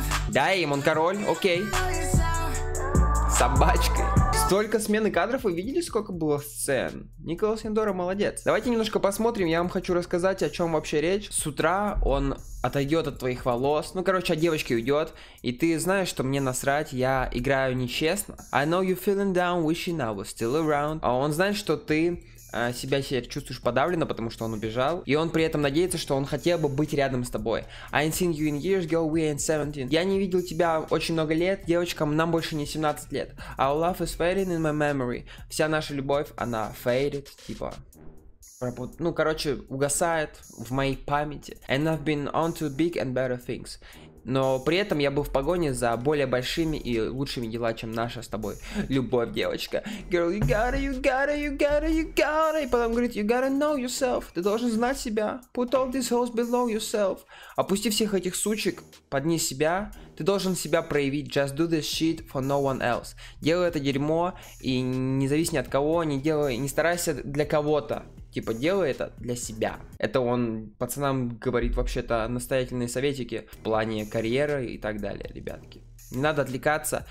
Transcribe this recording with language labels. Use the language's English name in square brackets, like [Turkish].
[Russian] Да, им он король. Окей. Собачка. Столько смены кадров, вы видели, сколько было сцен? Николас Яндора молодец. Давайте немножко посмотрим, я вам хочу рассказать, о чем вообще речь. С утра он отойдет от твоих волос, ну, короче, от девочки уйдет, и ты знаешь, что мне насрать, я играю нечестно. [English] I know you're feeling down, wishing I was still around. [Russian] А он знает, что ты себя теперь чувствуешь подавленно, потому что он убежал, и он при этом надеется, что он хотел бы быть рядом с тобой. [English] I ain't seen you in years, girl, we ain't 17. [Russian] Я не видел тебя очень много лет, девочкам нам больше не 17 лет. [English] Our love is fading in my memory. [Russian] Вся наша любовь, она faded, типа... Ну, короче, угасает в моей памяти. [English] And I've been on to big and better things. [Russian] Но при этом я был в погоне за более большими и лучшими дела, чем наша с тобой любовь, девочка. [English] Girl, you gotta, you gotta, you gotta, you gotta. [Russian] И потом говорит, [English] you gotta know yourself. [Russian] Ты должен знать себя. [English] Put all these hoes below yourself. [Russian] Опусти всех этих сучек под низ себя. Ты должен себя проявить. [English] Just do this shit for no one else. [Russian] Делай это дерьмо и не зависи ни от кого, не делай, не старайся для кого-то. Типа, делай это для себя. Это он пацанам говорит вообще-то настоятельные советики в плане карьеры и так далее, ребятки. Не надо отвлекаться.